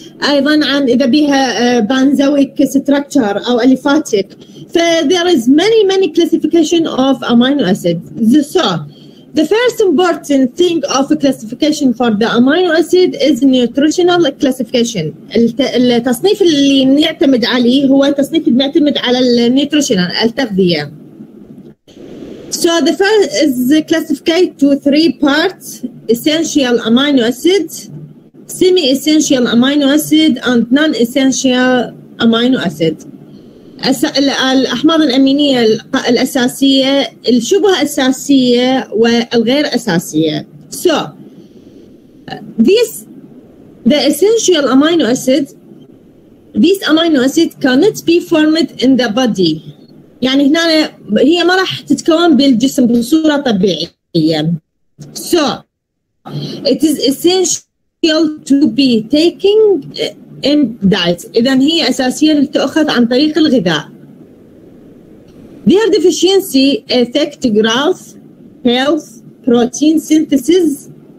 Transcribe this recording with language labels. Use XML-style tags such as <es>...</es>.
<ar>أيضا عن إذا بها بانزويك ستركتشر أو أليفاتيك.</ar> <en>So there is many classification of amino acids. So the first important thing of a classification for the amino acid is nutritional classification.</en> <ar>التصنيف اللي نعتمد عليه هو التصنيف اللي نعتمد على النيوتريشنال التغذية.</ar> <en>So the first is classified to three parts: essential amino acid, semi-essential amino acid, and non-essential amino acid.</en> <ar>الأحماض الأمينية الأساسية، الشبه أساسية والغير أساسية.</ar> <en>So the essential amino acid, these amino acid cannot be formed in the body.</en> <ar>يعني هنا هي ما راح تتكون بالجسم بصورة طبيعية.</ar> <en>So it is essential to be taking in diet.</en> <ar>إذن هي أساسية لتأخذ عن طريق الغذاء.</ar> <en>Their deficiency affect growth, health, protein synthesis.</en>